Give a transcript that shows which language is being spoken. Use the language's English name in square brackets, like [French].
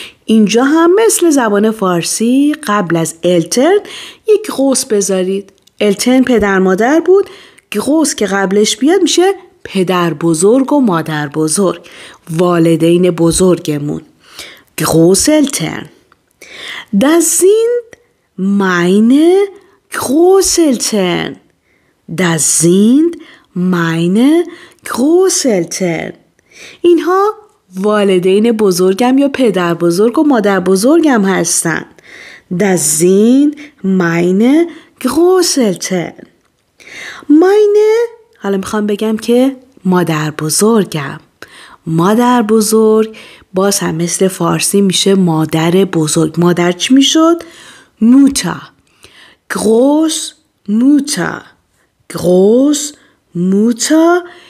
[Persian] اینجا هم مثل زبان فارسی قبل از Eltern یک گروس بذارید. Eltern پدر مادر بود. گروس که قبلش بیاد میشه پدر بزرگ و مادر بزرگ. والدین بزرگمون. گروس Eltern. [German] Das sind meine Großeltern. Das sind meine Großeltern. [Persian] اینها والدین بزرگم یا پدر بزرگ و مادر بزرگم هستن. [German] Das sind meine Großeltern. [Persian] Meine حالا میخوام بگم که مادر بزرگم. مادر بزرگ باز هم مثل فارسی میشه مادر بزرگ. مادر چی میشد؟ Mutter. [German] Großmutter. Großmutter.